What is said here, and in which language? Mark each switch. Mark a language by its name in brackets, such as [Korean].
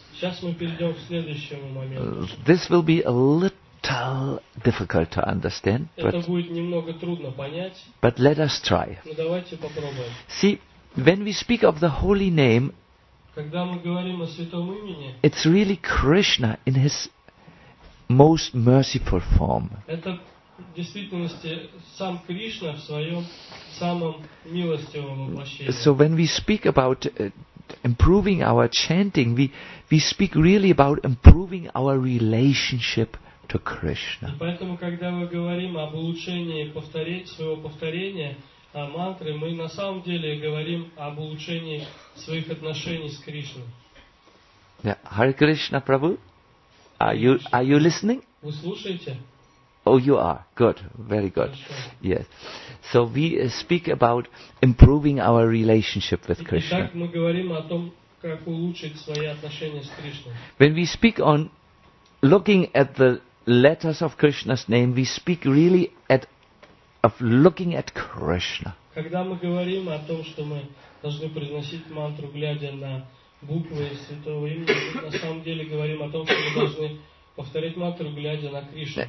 [English] This will be a little difficult to understand, but let us try. See, when we speak of the holy name, it's really Krishna in his most merciful form. [Russian] В действительности сам Кришна в своем самом милостивом воплощении. [English] So when we speak about improving our chanting, we speak really about improving our relationship to Krishna. [Russian] И поэтому, когда мы говорим об улучшении своего повторения мантры, мы на самом деле говорим об улучшении своих отношений с Кришной. [English] Yeah. Hare Krishna, Prabhu. Are you listening? [Russian] Вы слушаете? [English] Oh, you are. Good. Very good. Yes. So we speak about improving our relationship with Krishna. [Russian] Итак, мы говорим о том, как улучшить свои отношения с Кришной. [English] When we speak on looking at the letters of Krishna's name, we speak really at of looking at Krishna. [Russian] Когда мы говорим о том, что мы должны произносить мантру, глядя на буквы святого имени, мы на самом деле говорим о том, что мы должны повторять мантру, глядя на Кришну.